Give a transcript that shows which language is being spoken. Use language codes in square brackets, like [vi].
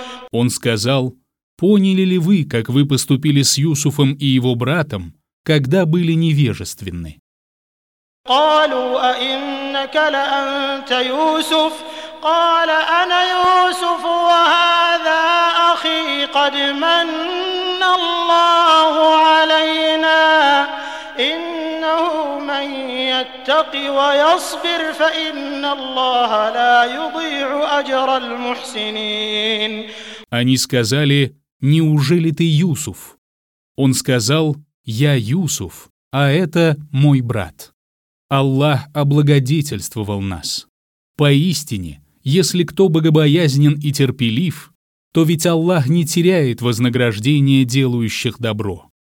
[ru] Он сказал: «Поняли ли вы, как вы поступили с Юсуфом и его братом, когда были невежественны?» [ar] قالوا أإنك لأنت يوسف قال أنا يوسف وهذا أخي قد من الله علينا إنه من يتق ويصبر فإن الله لا يضيع أجر المحسنين. [ru] Они сказали: «Неужели ты Юсуф?» Он сказал: «Я Юсуф, а это мой брат. Аллах облагодетельствовал нас. Поистине, если кто богобоязнен и терпелив, то ведь Аллах не теряет вознаграждение делающих добро».